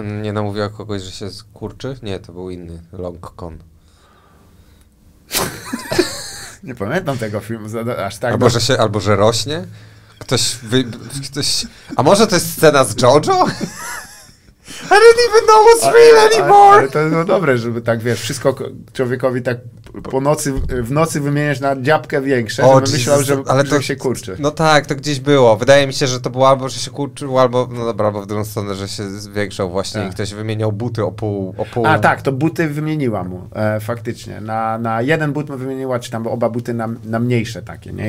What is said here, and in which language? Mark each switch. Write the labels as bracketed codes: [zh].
[pl] Nie namówiła kogoś, że się skurczy? Nie, to był inny. Long Con. Nie pamiętam tego filmu aż tak. Albo, że rośnie? Ktoś... A może to jest scena z JoJo? [en] I don't even know what's real anymore! [pl] Ale to jest no dobre, żeby tak, wiesz, wszystko człowiekowi tak po nocy, w nocy wymieniasz na dziabkę większe, żeby myślał, że się kurczy. No tak, to gdzieś było. Wydaje mi się, że to było albo, że się kurczył, albo, no dobra, albo w drugą stronę, że się zwiększał właśnie i ktoś wymieniał buty o pół. A tak, to buty wymieniła mu, faktycznie. Na jeden but mu wymieniła, czy tam oba buty na mniejsze takie, nie?